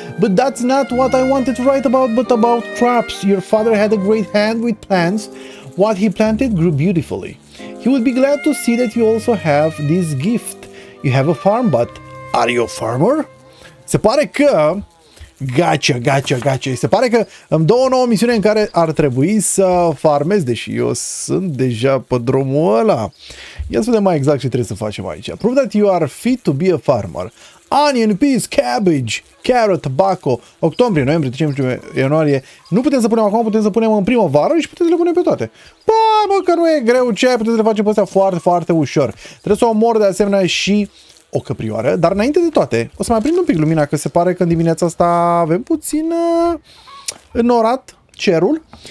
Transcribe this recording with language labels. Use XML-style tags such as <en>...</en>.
<en>But that's not what I wanted to write about, but about crops. Your father had a great hand with plants. What he planted grew beautifully. He would be glad to see that you also have this gift. You have a farm, but are you a farmer?</en> <ro>Se pare că... Gotcha. Se pare că îmi dă o nouă misiune în care ar trebui să farmez, deși eu sunt deja pe drumul ăla. Ia să vedem mai exact ce trebuie să facem aici.</ro> <en>Prove that you are fit to be a farmer. Onion, peas, cabbage, carrot, tobacco,</en> <ro>octombrie, noiembrie, decembrie, ianuarie. Nu putem să punem acum, putem să punem în primăvară și putem să le punem pe toate. Păi, mă, că nu e greu, ce ai, putem să le facem pe astea foarte, foarte ușor. Trebuie să omor de asemenea și o căprioară, dar înainte de toate, o să mai aprind un pic lumina, că se pare că în dimineața asta avem puțin înnorat cerul.</ro>